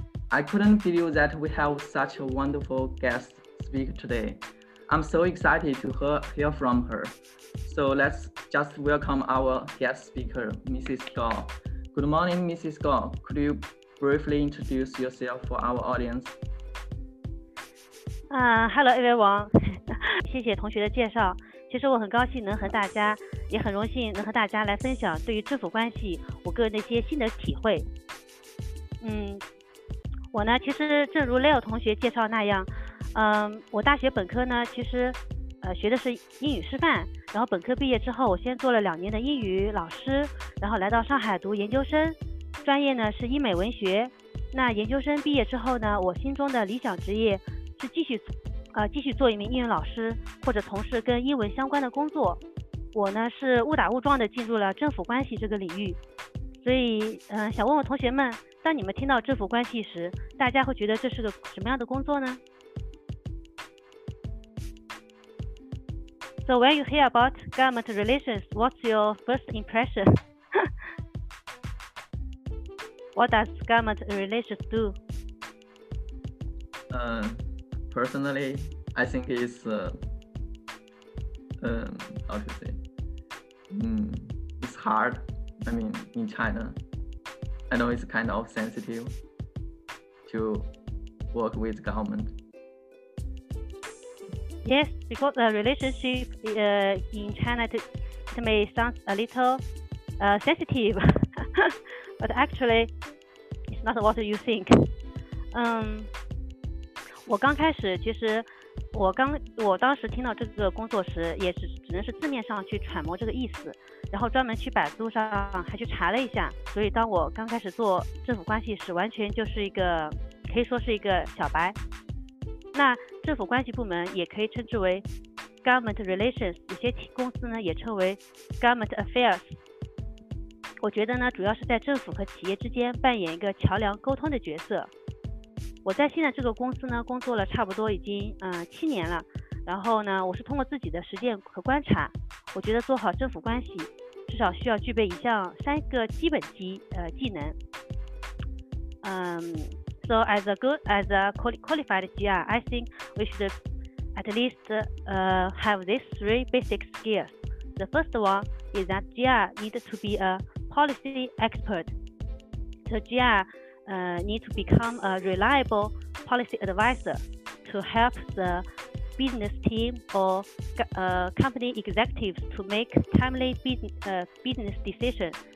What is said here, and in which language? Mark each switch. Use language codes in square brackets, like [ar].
[en] I couldn't believe that we have such a wonderful guest speak today. I'm so excited to hear from her. So let's just welcome our guest speaker, Mrs. Gao. Good morning, Mrs. Gao. Could you briefly introduce yourself for our audience? Hello, everyone. [zh] 谢谢同学的介绍。其实我很高兴能和大家，也很荣幸能和大家来分享对于政府关系我个人的一些新的体会。我呢，其实正如 Leo 同学介绍那样，我大学本科呢，其实学的是英语师范，然后本科毕业之后，我先做了两年的英语老师，然后来到上海读研究生，专业呢是英美文学。那研究生毕业之后呢，我心中的理想职业是继续做一名英语老师，或者从事跟英文相关的工作。我呢是误打误撞地进入了政府关系这个领域，所以想问问同学们，当你们听到政府关系时，大家会觉得这是个什么样的工作呢？ [en] So when you hear about government relations, what's your first impression? What does government relations do? Personally, I think it's how to say, it's hard. I mean, in China, I know it's kind of sensitive to work with government. Yes, because the relationship in China it may sound a little sensitive, but actually, it's not what you think. [zh] 我刚开始，其实我当时听到这个工作时，也是只能是字面上去揣摩这个意思，然后专门去百度上还去查了一下。所以当我刚开始做政府关系时，完全就是一个可以说是一个小白。那政府关系部门也可以称之为 government relations， 有些公司呢也称为 government affairs。我觉得呢，主要是在政府和企业之间扮演一个桥梁沟通的角色。我在现在这个公司呢工作了差不多已经七年了，然后呢我是通过自己的实践和观察，我觉得做好政府关系至少需要具备以下三个基本技能。 [en] So as a qualified GR, I think we should at least have these three basic skills. The first one is that GR need to be a policy expert. So GRneed to become a reliable policy advisor to help the business team or company executives to make timely business decisions.